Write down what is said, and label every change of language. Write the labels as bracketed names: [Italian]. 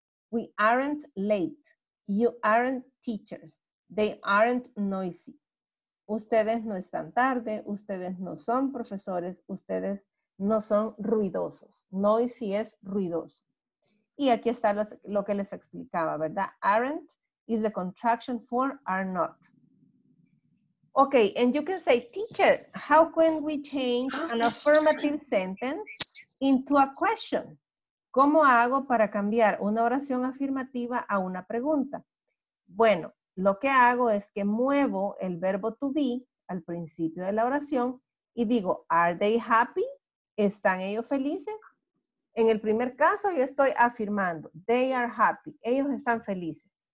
[English] We aren't late. You aren't teachers. They aren't noisy. [Spanish] Ustedes no están tarde, ustedes no son profesores, ustedes no son ruidosos. Noisy es ruidoso. Y aquí está lo que les explicaba, ¿verdad? [English] Aren't is the contraction for are not. Okay, and you can say, teacher, how can we change an affirmative sentence into a question? [Spanish] ¿Cómo hago para cambiar una oración afirmativa a una pregunta? Bueno, lo que hago es que muevo el verbo to be al principio de la oración y digo, [English] ¿Are they happy? [Spanish] ¿Están ellos felices? En el primer caso yo estoy afirmando, [English] they are happy, [Spanish] ellos están felices.